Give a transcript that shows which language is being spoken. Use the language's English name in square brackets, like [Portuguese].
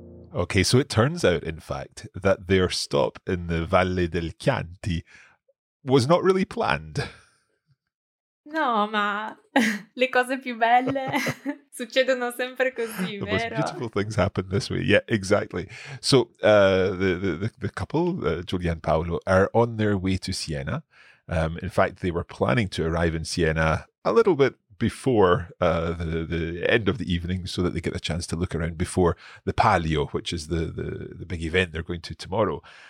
[English] Okay, so it turns out, in fact, that their stop in the Valle del Chianti was not really planned. [Italian] No, ma le cose più belle succedono sempre così, [English] the [Italian] vero? [English] The most beautiful things happen this way. Yeah, exactly. So the couple, Giulia and Paolo, are on their way to Siena. In fact, they were planning to arrive in Siena a little bit before the end of the evening so that they get a chance to look around before the palio, which is the big event they're going to tomorrow.